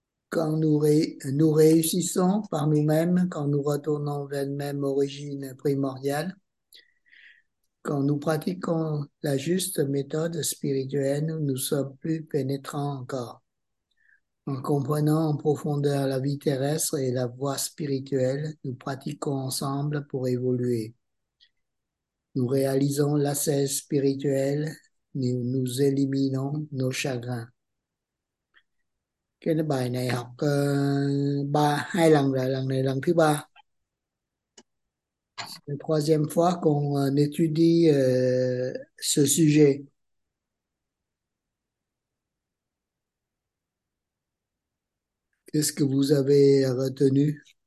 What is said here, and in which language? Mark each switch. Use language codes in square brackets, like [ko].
[fr] Quand nous réussissons par nous-mêmes, quand nous retournons vers même origine primordiale, quand nous pratiquons la juste méthode spirituelle, nous sommes plus pénétrants encore. En comprenant en profondeur la vie terrestre et la voie spirituelle, nous pratiquons ensemble pour évoluer. Nous réalisons l'ascèse spirituelle, nous éliminons nos chagrins. [vi] Cái bài này học ba hai lần rồi, lần này lần thứ ba. [fr] C'est la troisième fois qu'on étudie ce sujet. Qu'est-ce que vous avez retenu?